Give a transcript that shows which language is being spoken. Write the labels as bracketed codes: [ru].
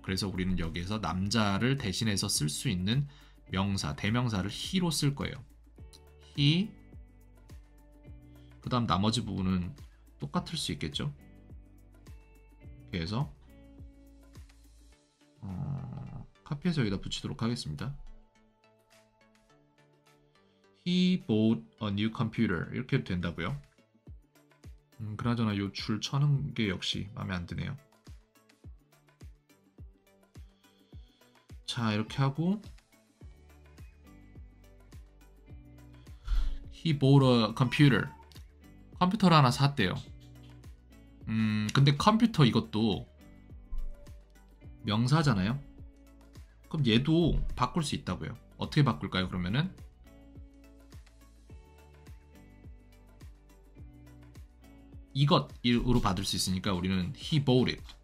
[ko] 그래서 우리는 여기에서 남자를 대신해서 쓸수 있는 명사, 대명사를 he로 쓸 거예요. [en] he. [ko] 그 다음 나머지 부분은 똑같을 수 있겠죠? 이렇게 해서, 카피해서 여기다 붙이도록 하겠습니다. [en] He bought a new computer. [ko] 이렇게 해도 된다고요. 그나저나 요줄 쳐는 게 역시 마음에 안 드네요. 자, 이렇게 하고 [en] He bought a computer. [ko] 컴퓨터를 하나 샀대요. 근데 컴퓨터 이것도 명사잖아요. 그럼 얘도 바꿀 수 있다고요. 어떻게 바꿀까요? 그러면은 이것으로 받을 수 있으니까 우리는 [en] he bought it.